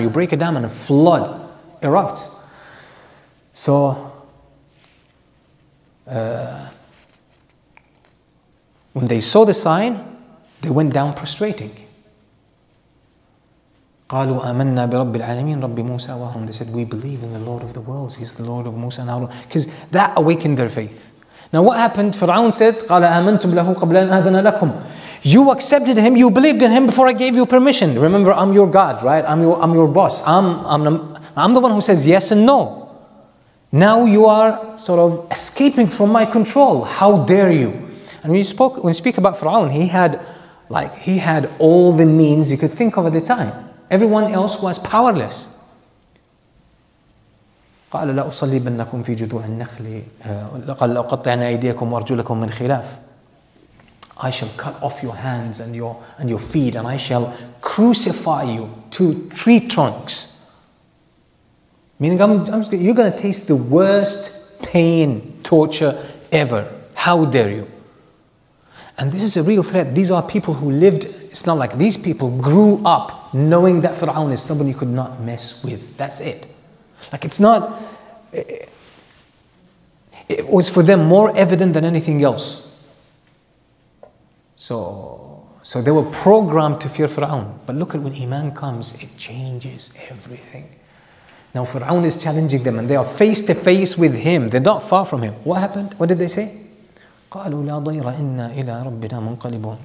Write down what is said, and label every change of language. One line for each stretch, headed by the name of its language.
English: You break a dam and a flood erupts. So when they saw the sign, they went down prostrating.
Arabic: قالوا آمنا برب العالمين رب موسى وهارون.
English: They said, we believe in the Lord of the worlds. He's the Lord of Musa and Harun. Because that awakened their faith. Now what happened? Fir'aun said,
Arabic: قال آمنتم له قبل أن أذن لكم.
English: You accepted him, you believed in him before I gave you permission. Remember, I'm your God, right? I'm your boss. I'm the one who says yes and no. Now you are sort of escaping from my control. How dare you? And when you speak about Fir'aun, he had all the means you could think of at the time. Everyone else was powerless.
Arabic: قال لا أصلبنكم في جذوع النخل لقد قطعنا أيديكم وأرجلكم من خلاف.
English: I shall cut off your hands and your feet, and I shall crucify you to tree trunks. Meaning, you're going to taste the worst pain, torture ever. How dare you? And this is a real threat. These are people who lived. It's not like these people grew up knowing that Fir'aun is someone you could not mess with. That's it. Like it's not. It was for them more evident than anything else. So they were programmed to fear Fir'aun. But look at when Iman comes, it changes everything. Now Fir'aun is challenging them and they are face to face with him. They're not far from him. What happened? What did they say?
Arabic: قالوا لا ضير إنا إلى ربنا منقلبون.